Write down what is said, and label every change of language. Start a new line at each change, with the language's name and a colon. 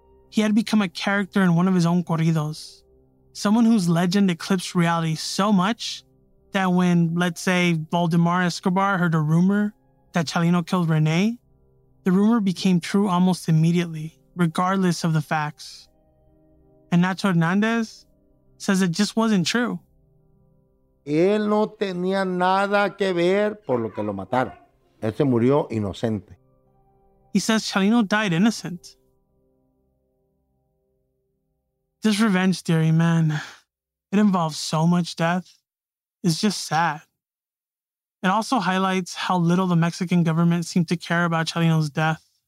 English: He had become a character in one of his own corridos. Someone whose legend eclipsed reality so much that when, let's say, Valdemar Escobar heard a rumor that Chalino killed Rene, the rumor became true almost immediately, regardless of the facts. And Nacho Hernandez says it just wasn't true.
Spanish: Él no tenía nada que ver por lo que lo mataron. Él se murió inocente.
English: He says Chalino died innocent. This revenge theory, man, it involves so much death. It's just sad. It also highlights how little the Mexican government seemed to care about Chalino's death.